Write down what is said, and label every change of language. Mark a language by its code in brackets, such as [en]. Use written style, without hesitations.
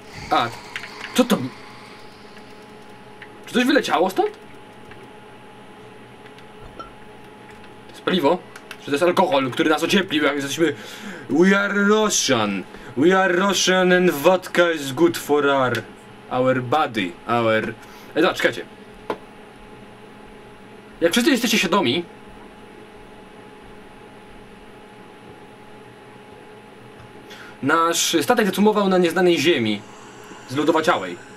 [pl] A, co to? Czy coś wyleciało stąd? To jest paliwo? Czy to jest alkohol, który nas ociepli, jak jesteśmy... [en] We are Russian! We are Russian and vodka is good for our body, our... [pl] Dobra, czekajcie. Jak wszyscy jesteście świadomi... Nasz statek zatumował na nieznanej ziemi. Zlodowaciałej.